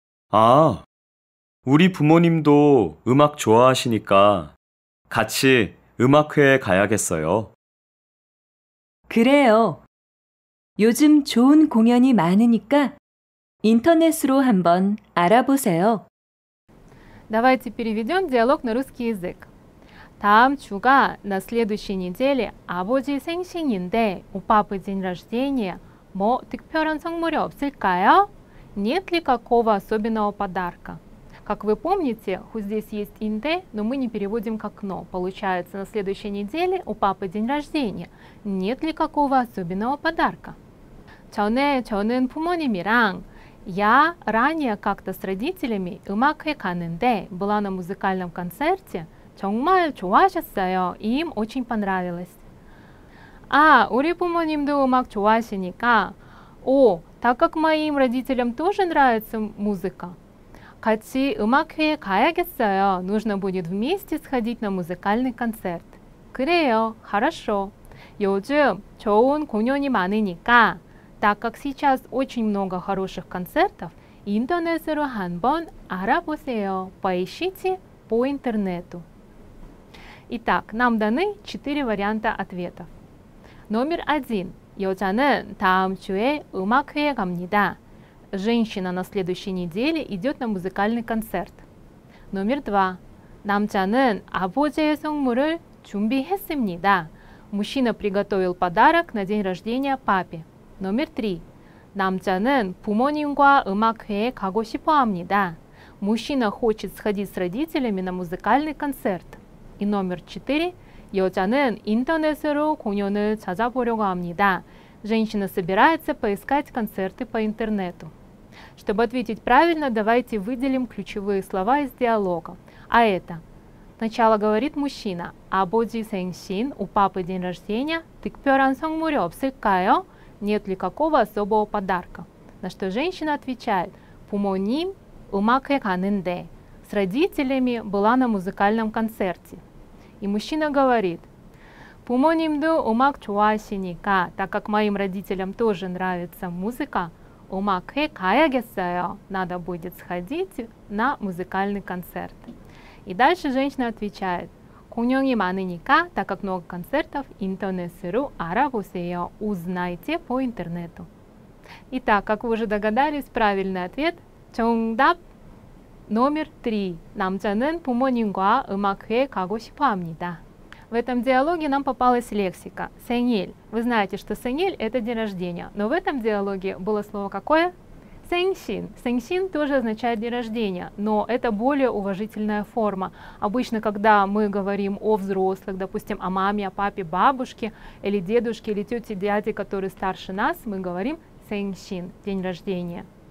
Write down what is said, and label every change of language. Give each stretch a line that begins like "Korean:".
Korean: 아, 우리 부모님도 음악 좋아하시니까 같이 음악회에 가야겠어요. 그래요. 요즘 좋은 공연이 많으니까 인터넷으로 한번 알아보세요.
Russian: Давайте переведем диалог на русский язык.
Korean: 다음 주가
Russian: на следующей неделе
Korean: 아버지 생신인데
Russian: у папы день рождения
Korean: 뭐 특별한 선물이 없을까요?
Russian: Нет ли какого особенного подарка? Как вы помните, who здесь есть инде, но мы не переводим как но. Получается, на следующей неделе у папы день рождения. Нет ли какого особенного подарка?
Korean: 전에 저는 부모님이랑
Russian: Я ранее как-то с родителями
Korean: 음악회 가는데
Russian: была на музыкальном концерте.
Korean: 정말 좋아하셨어요.
Russian: Им очень понравилось.
Korean: 아, 우리 부모님도 음악 좋아하시니까.
Russian: О, так как моим родителям тоже нравится музыка.
Korean: 같이 음악회에 가야겠어요.
Russian: Нужно будет вместе сходить на музыкальный концерт.
Korean: 그래요.
Russian: Хорошо.
Korean: 요즘 좋은 공연이 많으니까.
Russian: Так как сейчас очень много хороших концертов,
Korean: 인터넷으로 한번 알아보세요.
Russian: Поищите по интернету. Итак, нам даны 4 варианта ответов. Номер 1.
Korean: 여자는 다음 주에 음악회에 갑니다.
Russian: Женщина на следующей неделе идет на музыкальный концерт. Номер 2.
Korean: 남자는 아버지의 선물을 준비했습니다.
Russian: Мужчина приготовил подарок на день рождения папе. Номер 3.
Korean: 남자는 부모님과 음악회에 가고 싶어 합니다.
Russian: Мужчина хочет сходить с родителями на музыкальный концерт. И номер 4.
Korean: 여자는 인터넷으로 공연을 찾아보려고 합니다.
Russian: Женщина собирается поискать концерты по интернету. Чтобы ответить правильно, давайте выделим ключевые слова из диалога. А это. Сначала говорит мужчина.
Korean: 아버지 생신,
Russian: у папы день рождения,
Korean: 특별한 선물이 없을까요?
Russian: Нет ли какого особого подарка? На что женщина отвечает.
Korean: 부모님, 음악회 가는데.
Russian: С родителями была на музыкальном концерте. И мужчина говорит.
Korean: 부모님도 음악 좋아하시니까,
Russian: так как моим родителям тоже нравится музыка,
Korean: 음악회 가야겠어요.
Russian: Надо будет сходить на музыкальный концерт. И дальше женщина отвечает.
Korean: 공연이 많으니까,
Russian: так как много концертов,
Korean: 인터넷으로 알아보세요.
Russian: Узнайте по интернету. Итак, как вы уже догадались, правильный ответ. 정답 номер 3.
Korean: 남자는 부모님과 음악회에 가고 싶어 합니다.
Russian: В этом диалоге нам попалась лексика «сэньэль». Вы знаете, что «сэньэль» — это день рождения. Но в этом диалоге было слово какое? «Сэньщин». «Сэньщин» тоже означает день рождения, но это более уважительная форма. Обычно, когда мы говорим о взрослых, допустим, о маме, о папе, бабушке, или дедушке, или тете, дяде, который старше нас, мы говорим «сэньщин» — день рождения.